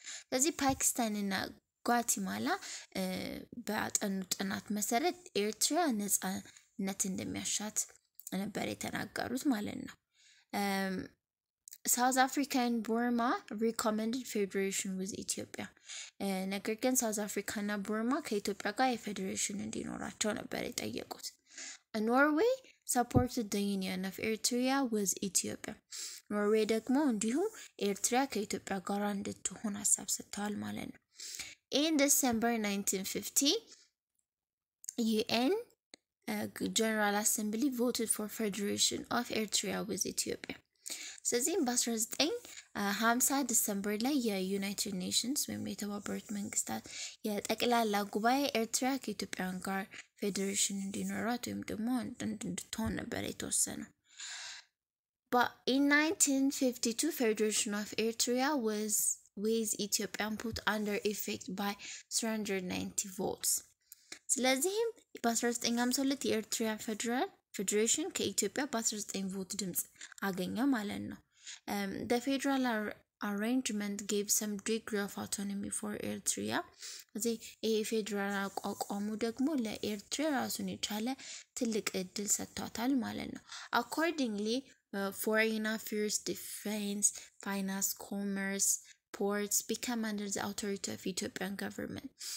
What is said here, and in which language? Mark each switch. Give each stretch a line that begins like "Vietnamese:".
Amharic: ስለዚህ ፓኪስታንና ጓቲማላ በአጠኑ ጥናት መሰረት ኤርትራ ነጻነት እንደሚያሻት ነበር የተናገሩት ማለት ነው።
English: South Africa and Burma recommended federation with Ethiopia.
Amharic: ነገር ግን South Africa እና Burma ከኢትዮጵያ ጋር የፌዴሬሽን እንዲኖራቸው ነበር የጠየቁት።
English: Norway supported the union of Eritrea with Ethiopia.
Amharic: Norway ደግሞ እንዲሁ ኤርትራ ከኢትዮጵያ ጋር እንድትሆን ሐሳብ ሰጥቷል ማለት ነው።
English: In December 1950 UN General Assembly voted for federation of Eritrea with Ethiopia.
Amharic: ስለዚህ በ1950 ዲሰምበር ላይ የዩናይትድ ኔሽንስ ወይም የተባበሩት መንግስታት የጠቅላላ ጉባኤ ኤርትራ ከኢትዮጵያ ጋር ፌዴሬሽን እንዲኖራት ወይም ደግሞ እንድትሆን ነበር የተወሰነው።
English: But in 1952 federation of Eritrea was with Ethiopia put under effect by 390 votes.
Amharic: ስለዚህም በ1952 የኤርትራ ፌዴሬሽን ከኢትዮጵያ በ19 ቮት ድምጽ አገኘ ማለት ነው።
English: The federal arrangement gave some degree of autonomy for Eritrea.
Amharic: ስለዚህ ይሄ ፌዴራል አቋቋሙ ደግሞ ለኤርትራ ራሱን የቻለ ትልቅ እድል ሰጥቷታል ማለት ነው።
English: Accordingly, foreign affairs, defense, finance, commerce, ports became under the authority of Ethiopian government.